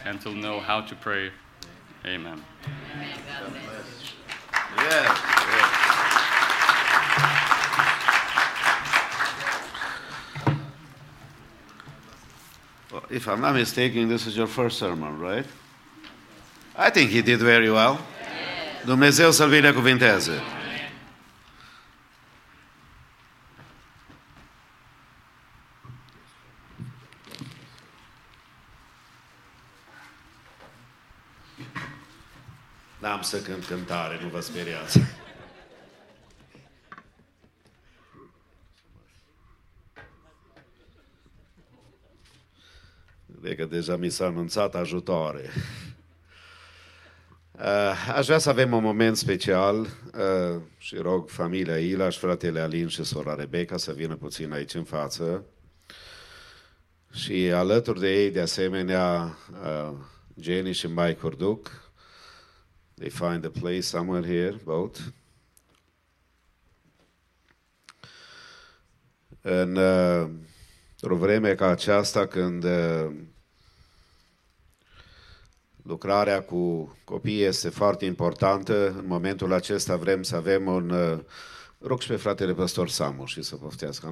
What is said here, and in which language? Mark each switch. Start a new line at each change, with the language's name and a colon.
English: and to know how to pray. Amen. Amen. Yes. Well, if I'm not mistaken, this is your first sermon, right? I think he did very well. Yes.
Romanian: Dumnezeu să-l binecuvinteze. N-am să cânt cântare, nu vă speriați. Vede că deja mi s-a anunțat ajutoare. Aș vrea să avem un moment special și rog familia Ilaș, fratele Alin și sora Rebecca să vină puțin aici în față. Și alături de ei, de asemenea, Jenny și Mike Urduc.
English: They find a place somewhere here, both.
Romanian: În o vreme ca aceasta, când lucrarea cu copiii este foarte importantă, în momentul acesta vrem să avem un... rog și pe fratele pastor Samu și să poftească.